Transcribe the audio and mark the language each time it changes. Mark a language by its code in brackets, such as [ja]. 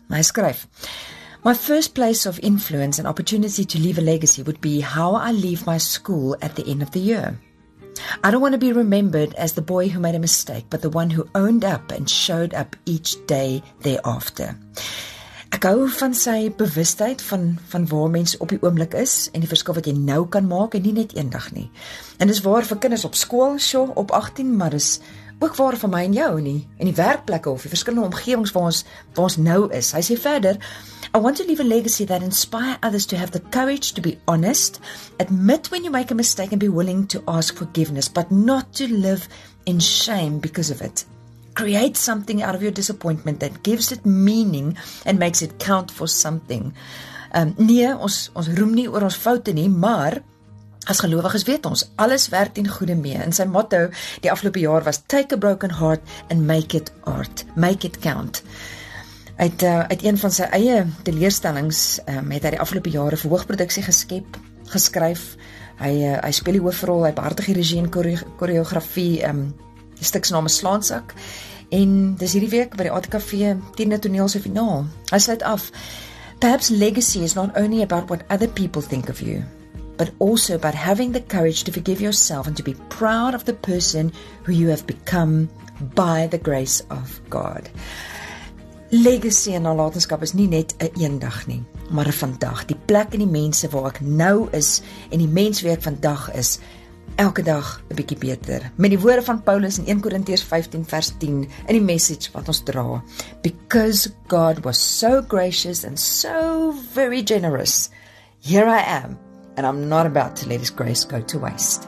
[af] Hy skryf: [en] My first place of influence and opportunity to leave a legacy would be how I leave my school at the end of the year. I don't want to be remembered as the boy who made a mistake, but the one who owned up and showed up each day thereafter. [af] Ek hou van sy bewustheid van waar mens op die oomblik is en die verskil wat jy nou kan maak en nie net eendag nie. En dis waar vir kinders op skool, op 18, maar dis ook waar vir my en jou nie en die werkplekke of die verskillende omgewings waar ons nou is. Hy sê verder, [en] I want to leave a legacy that inspire others to have the courage to be honest, admit when you make a mistake and be willing to ask forgiveness, but not to live in shame because of it. Create something out of your disappointment that gives it meaning and makes it count for something. [af] Nee, ons roem nie oor ons foute nie, maar as gelowiges weet ons, alles werk ten goede mee. En sy motto die afgelope jaar was, [en] take a broken heart and make it art, make it count. [af] Uit een van sy eie teleurstellings het hy die afgelope jare verhoogproduksie geskryf. Hy speel die hoofrol, hy behartig die regie en koreografie, die stuk se naam is Slaansak. En dis hierdie week by die ATKV 10de toneel se finaal. Hy sluit af, [en] perhaps legacy is not only about what other people think of you, but also about having the courage to forgive yourself and to be proud of the person who you have become by the grace of God. [af] Legacy en nalatenskap is nie net 'n eendag nie, maar 'n vandag. Die plek en die mense waar ek nou is en die mens wie ek vandag is, elke dag 'n bietjie beter. Met die woorde van Paulus in 1 Korintiërs 15 vers 10 in die message wat ons dra. [en] Because God was so gracious and so very generous, here I am. And I'm not about to let his grace go to waste.